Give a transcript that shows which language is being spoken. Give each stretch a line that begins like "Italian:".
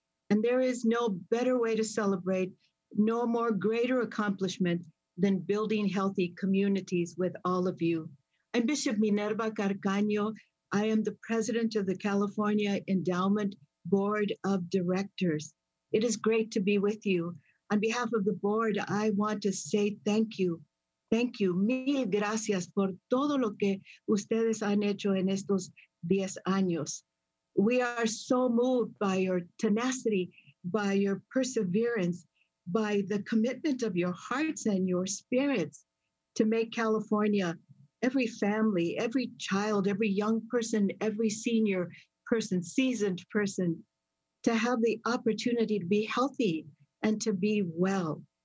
English: And there is no better way to celebrate, no more greater accomplishment than building healthy communities with all of you. I'm Bishop Minerva Carcaño. I am the president of the California Endowment Board of Directors. It is great to be with you. On behalf of the board, I want to say thank you. Thank you.
Spanish: Mil gracias por todo lo que ustedes han hecho en estos 10 años.
English: We are so moved by your tenacity, by your perseverance, by the commitment of your hearts and your spirits to make California every family, every child, every young person, every senior person, seasoned person, to have the opportunity to be healthy and to be well.